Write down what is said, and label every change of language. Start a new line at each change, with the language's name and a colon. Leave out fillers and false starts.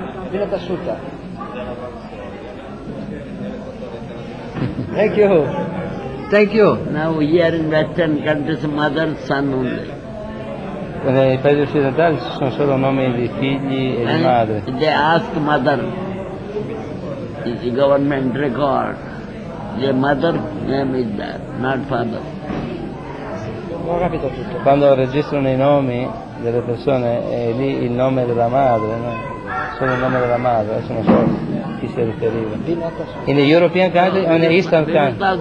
English: Binata Sutta. Thank you. Thank you. Now here in Western countries, mother, son only.
Italian: Nei paesi occidentali ci sono solo nomi di figli e di madre.
English: They ask mother, is the government record, the mother name is that, not father.
Italian: Ho capito tutto. Quando registrano i nomi delle persone è lì il nome della madre, no? Solo il nome della madre, adesso non so chi si riferiva.
English: In the European country o in the Eastern country?